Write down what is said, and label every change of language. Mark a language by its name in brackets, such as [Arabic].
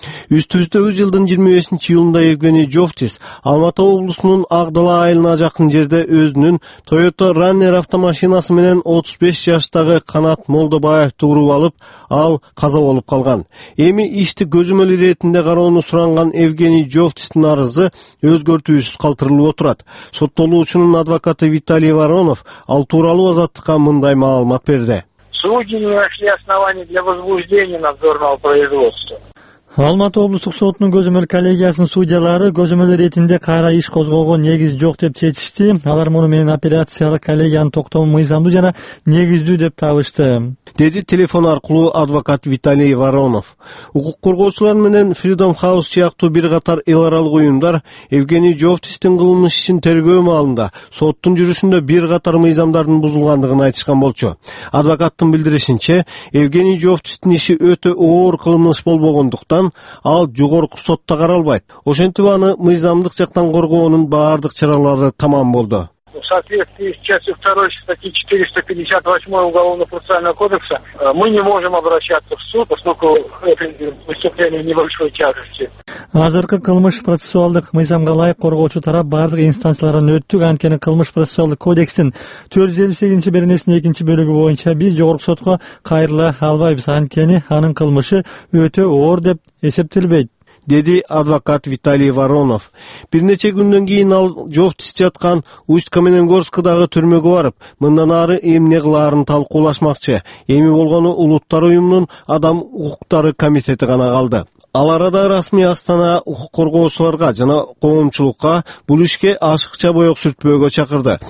[Kyrgyz] Үстүбүздөгү жылдын 25-июлунда Евгений Жовтис Алматы облусунун Ак Дала айылына жакын жерде өзүнүн Toyota Runner автомашинасы менен 35 жаштагы Канат Молдобаевди уруп алып, ал каза болуп калган. Эми ишти көзөмөл иретинде кароону суранган Евгений Жовтистин арызы өзгөртүүсүз калтырылып отурат. Соттолуучунун адвокаты Виталий Воронов ал тууралуу Азаттыкка мындай маалымат берди. [Russian] Судьи не нашли оснований для возбуждения надзорного производства. [Kyrgyz] Алматы облыстык сотунун көзөмөл коллегиясынын судьялары көзөмөл иретинде кайра иш козгогон негиз жок деп чечишти. Алар муну менен апелляциялык коллегиянын токтому мыйзамдуу жана негиздүү деп табышты. Деди телефон аркылуу адвокат Виталий Воронов. Укук коргоочулар менен Freedom House сыяктуу бир катар эл аралык уюмдар Евгений Жовтистин кылмыш ишин тергөө маалында соттун жүрүшүндө бир катар мыйзамдардын бузулгандыгын айтышкан болчу. Адвокаттын билдиришинче, Евгений Жовтистин иши өтө оор кылмыш болбогондук ал жогорку сотто каралбайт. Ошентип аны мыйзамдык жактан коргоонун баардык чаралары тамам болду. [Russian] В соответствии с частью 2 статьи 458 Уголовно-процессуального кодекса мы не можем обращаться в суд, поскольку это выступление небольшой тяжести. [Kyrgyz] Азыркы кылмыш процессуалдык мыйзамга ылайык коргоочу тарап бардык инстанциялардан өттүк, анткени кылмыш процессуалдык кодекстин 458-беренесинин 2-бөлүгү боюнча биз жогорку сотко кайрыла албайбыз, анткени анын кылмышы өтө оор деп эсептелбейт. Деди адвокат Виталий Воронов. Бир нече күндөн кийин ал Жовтис жаткан Усть-Каменогорскдагы түрмөгө барып, мындан ары эмне кылаарын талкуулашмакчы. Эми болгону улуттар уюмунун адам укуктары комитети гана калды. Ал арада расмий Астана укук коргоочуларга жана коомчулукка бул ишке ашыкча боек сүртпөөгө чакырды.